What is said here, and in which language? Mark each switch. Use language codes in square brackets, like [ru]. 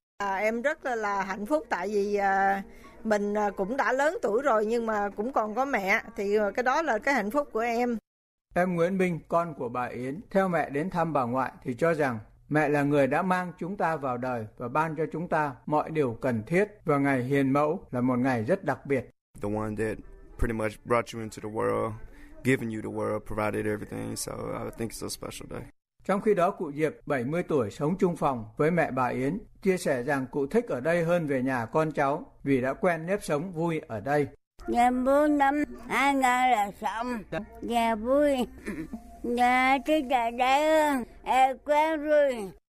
[vi] Em rất là hạnh phúc tại vì mình cũng đã lớn tuổi rồi nhưng mà cũng còn có mẹ. Thì cái đó là cái hạnh phúc của em. Em Nguyễn Minh, con của bà Yến, theo mẹ đến thăm bà ngoại thì cho rằng mẹ là người đã mang chúng ta vào đời và ban cho chúng ta mọi điều cần thiết. Và ngày hiền mẫu là một ngày rất đặc biệt. [en] The one that pretty much brought you into the world, given you the world, provided everything, so I think it's a special day. [vi] Trong khi đó, cụ Diệp, 70 tuổi, sống chung phòng với mẹ bà Yến, chia sẻ rằng cụ thích ở đây hơn về nhà con cháu vì đã quen nếp sống vui ở đây. Nhà vui năm 2006, nhà vui, nhà chứ nhà đấy, em quen rồi.